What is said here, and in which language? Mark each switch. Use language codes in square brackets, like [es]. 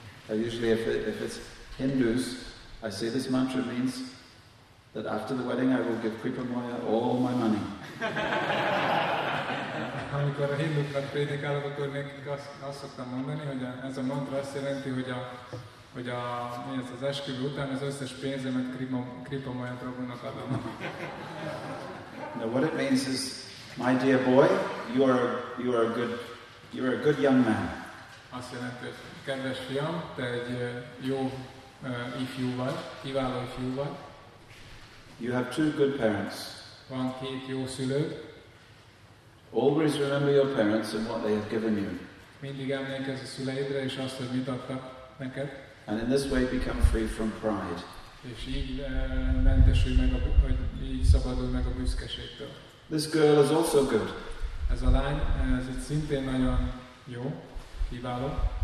[en] Usually if it's Hindus, I say this mantra means that after the wedding I will give Kripa Maya all my money. [hu] Amikor a hindúknak prédikálok, akkor nekik azt szoktam mondani, hogy ez a mantra azt jelenti, hogy az esküvő után az összes pénzemet Kripa Maya Prabhunak adom. [en] Now what it means is, my dear boy, you are a good young man. [hu] Azt jelenti, hogy kedves fiam, te egy jó ifjú vagy, kiváló ifjú vagy. [en] You have two good parents. [hu] Van két jó szülő. [en] Always remember your parents and what they have given you. [hu] Mindig emlékezz a szüleidre és azt, hogy mit adtak neked. [en] And in this way become free from pride. [hu] És így mentesülj meg, vagy így szabadulj meg a büszkeségtől. [en] This girl is also good. [hu] Ez a lány, ez itt szintén nagyon jó, kiváló.